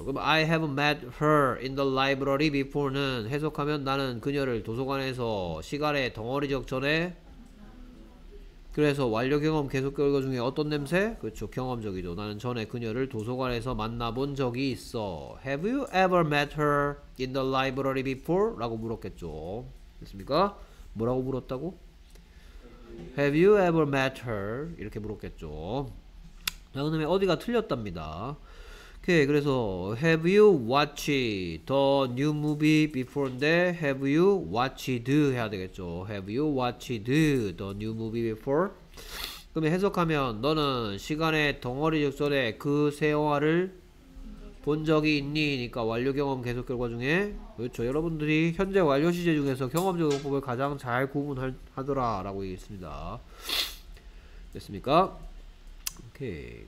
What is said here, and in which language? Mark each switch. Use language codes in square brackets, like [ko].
[ko] 그럼 [en] I have met her in the library before는 [ko] 해석하면 나는 그녀를 도서관에서 시간의 덩어리적 전에 그래서 완료 경험 계속 결과 중에 어떤 냄새? 그렇죠. 경험적이죠. 나는 전에 그녀를 도서관에서 만나본 적이 있어. [en] Have you ever met her in the library before? [ko] 라고 물었겠죠. 됐습니까? 뭐라고 물었다고? [en] Have you ever met her? [ko] 이렇게 물었겠죠. 자, 그 다음에 어디가 틀렸답니다. 오케이. 그래서 [en] Have you watched the new movie before인데 Have you watched [ko] 해야 되겠죠. [en] Have you watched the new movie before? [ko] 그럼 해석하면 너는 시간의 덩어리적 전에 그 새 영화를 본 적이 있니? 니까 완료 경험 계속 결과 중에 그렇죠. 여러분들이 현재 완료 시제 중에서 경험적 용법을 가장 잘 구분하더라 라고 얘기했습니다. 됐습니까? 오케이.